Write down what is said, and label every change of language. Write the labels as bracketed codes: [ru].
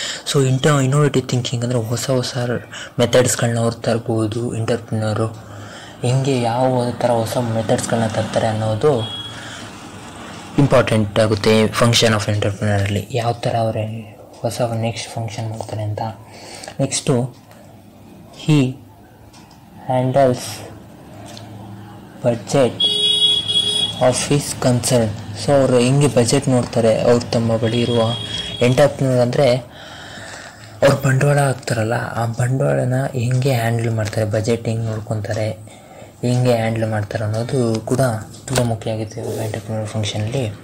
[kn] So innovative thinking ಅಂದರೆ ಹೊಸ ಮೆಥಡ್ಸ್ಗಳನ್ನ ಅವ್ರು ತರ್ಬೋದು ಎಂಟರ್ಪ್ರಿನರು. ಹೆಂಗೆ ಯಾವ ಥರ ಹೊಸ ಮೆಥಡ್ಸ್ಗಳನ್ನ ತರ್ತಾರೆ ಅನ್ನೋದು ಇಂಪಾರ್ಟೆಂಟ್ ಆಗುತ್ತೆ. ಫಂಕ್ಷನ್ ಆಫ್ ಎಂಟರ್ಪ್ರಿನರಲ್ಲಿ ಯಾವ ಥರ ಅವರೇ ಹೊಸ ನೆಕ್ಸ್ಟ್ ಫಂಕ್ಷನ್ ಮಾಡ್ತಾರೆ ಅಂತ. Next, [en] he handles budget of his concern. [kn] So ಅವರು ಹೆಂಗೆ ಬಜೆಟ್ ನೋಡ್ತಾರೆ, ಅವ್ರು ತಮ್ಮ ಬಳಿ ಇರುವ ಎಂಟರ್ಪ್ರಿನರ್ ಅಂದರೆ ಅವ್ರು ಬಂಡವಾಳ ಹಾಕ್ತಾರಲ್ಲ, ಆ ಬಂಡವಾಳನ ಹೆಂಗೆ ಹ್ಯಾಂಡಲ್ ಮಾಡ್ತಾರೆ, ಬಜೆಟ್ ಹೆಂಗೆ ನೋಡ್ಕೊತಾರೆ, ಹೆಂಗೆ ಹ್ಯಾಂಡಲ್ ಮಾಡ್ತಾರೆ ಅನ್ನೋದು ಕೂಡ ತುಂಬ ಮುಖ್ಯ ಆಗಿತ್ತು ಎಂಟರ್ಪ್ರಿನರ್ ಫಂಕ್ಷನಲ್ಲಿ.